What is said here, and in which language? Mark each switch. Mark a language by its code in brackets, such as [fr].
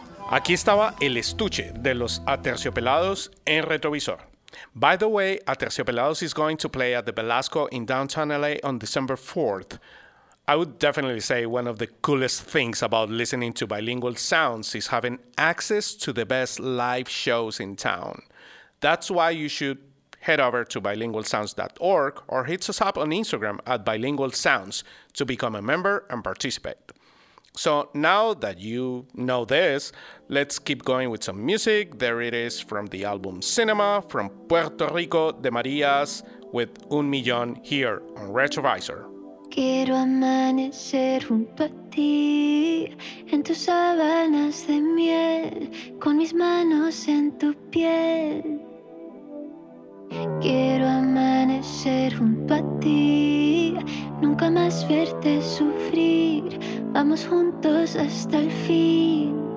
[es] Aquí estaba el estuche de los Aterciopelados en retrovisor. [en] By the way, Aterciopelados is going to play at the Velasco in downtown LA on December 4th. I would definitely say one of the coolest things about listening to bilingual sounds is having access to the best live shows in town. That's why you should head over to bilingualsounds.org or hit us up on Instagram at bilingualsounds to become a member and participate. So now that you know this, let's keep going with some music. There it is from the album Cinema from Puerto Rico de Marías with Un Millón here on Retrovisor. [es] Quiero amanecer junto a ti en tus sábanas de miel con mis manos en tu piel. Quiero amanecer junto a ti, nunca más verte sufrir, vamos juntos hasta el fin.